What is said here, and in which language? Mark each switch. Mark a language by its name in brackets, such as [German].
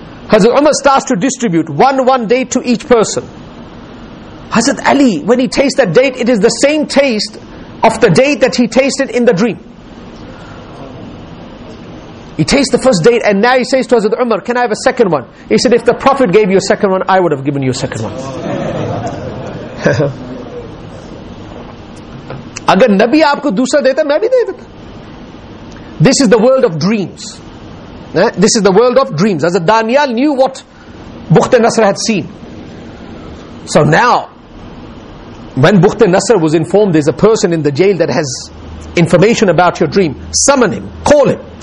[English] Hazrat Umar starts to distribute one date to each person. Hazrat Ali, when he tastes that date, it is the same taste of the date that he tasted in the dream. He tastes the first date and now he says to Hazrat Umar, can I have a second one? He said, if the Prophet gave you a second one, I would have given you a second one. [Urdu] اگر نبی آپکو دوسرا دیتا، میں بھی دے دیتا۔ [English] This is the world of dreams. This is the world of dreams. Hazrat Daniel knew what Bukht-e Nasr had seen. So now, when Bukht-e Nasr was informed, there's a person in the jail that has information about your dream, summon him, call him.